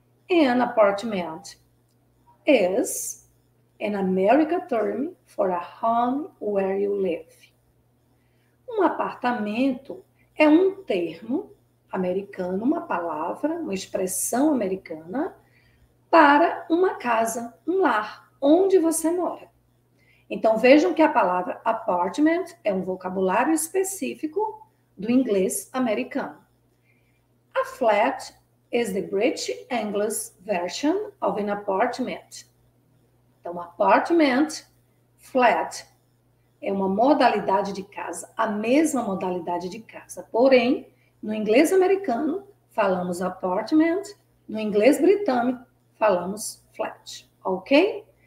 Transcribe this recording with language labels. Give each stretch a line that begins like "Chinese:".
English: An apartment is an American term for a home where you live.
Portuguese: Um apartamento é um termo americano, uma palavra, uma expressão americana para uma casa, um lar, onde você mora. Então, vejam que a palavra apartment é um vocabulário específico do inglês americano.
English: A flat is the British English version of an apartment.
Portuguese: Então, apartment, flat, é uma modalidade de casa, a mesma modalidade de casa. Porém, no inglês americano, falamos apartment, no inglês britânico, falamos flat, ok?